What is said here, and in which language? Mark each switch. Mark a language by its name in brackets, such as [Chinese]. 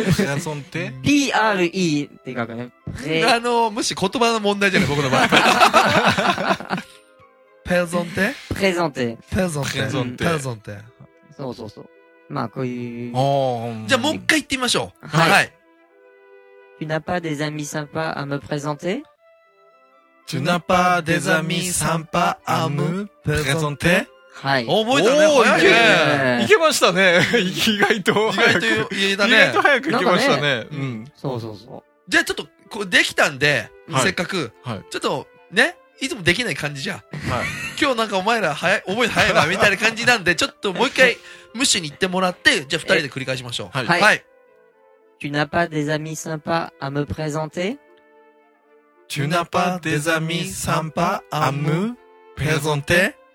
[Japanese] プレゾンテ ?PRE って書くね。もし言葉の問題じゃない、僕の場合。プレゾンテプレゾンテ。プレゾンテ。プレゾンテ。プレゾンテ。そうそうそう。まあ、こういう。おじゃあ、もう一回言ってみましょう。はい。はい、 [French] tu n'as pas des amis sympas à me présenter? Tu n'as pas des amis sympas à me présenter? [Japanese] はい。覚えたね。おー、いけましたね。意外と早く。意外と言えたね。意外と早くいけましたね。うん。そうそうそう。じゃあちょっと、こうできたんで、はい、せっかく。はい。ちょっと、ね。いつもできない感じじゃん。はい。今日なんかお前ら早い、覚えて早いわ、みたいな感じなんで、ちょっともう一回、ムッシュに行ってもらって、じゃあ二人で繰り返しましょう。はい。はい。 [French] Tu n'as pas des amis sympas à me présenter? Tu n'as pas des amis sympas à me présenter?